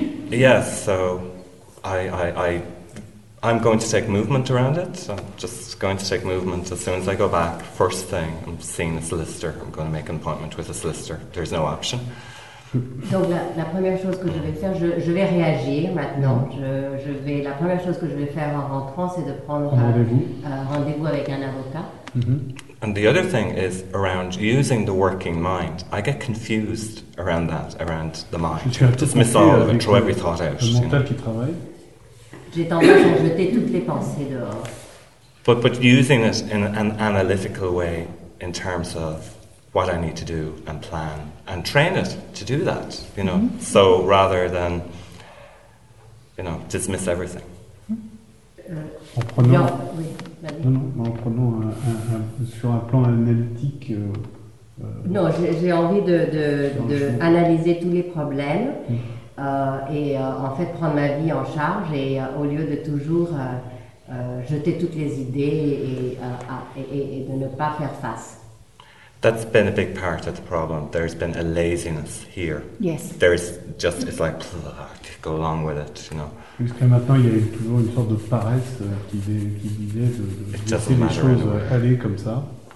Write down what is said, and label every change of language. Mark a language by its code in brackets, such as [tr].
[en] Yes, so I'm going to take movement around it. I'm just going to take movement as soon as I go back. First thing, I'm seeing a solicitor. I'm going to make an appointment with a solicitor. There's no option. [fr] Donc la première chose que je vais faire, je vais réagir maintenant. Je vais la première chose que je vais faire en rentrant, c'est de prendre un rendez-vous avec un avocat. Mm-hmm. [en] And the other thing is around using the working mind. I get confused around that, around the mind. Dismiss all of it, throw every thought out. [fr] Le mental qui travaille. J'ai tendance à jeter toutes les pensées dehors. [en] But using it in an analytical way in terms of what I need to do and plan and train it to do that, you know, mm-hmm. so rather than, you know, dismiss everything. [fr] En prenant, non, oui, non, en prenant sur un plan analytique. Non, j'ai envie de analyser tous les problèmes en fait prendre ma vie en charge et au lieu de toujours jeter toutes les idées et de ne pas faire face. [en] That's been a big part of the problem. There's been a laziness here. Yes. There's just, it's like, go along with it, you know. [fr] Jusqu'à maintenant, il y avait toujours une sorte de paresse qui disait de laisser les choses aller comme ça.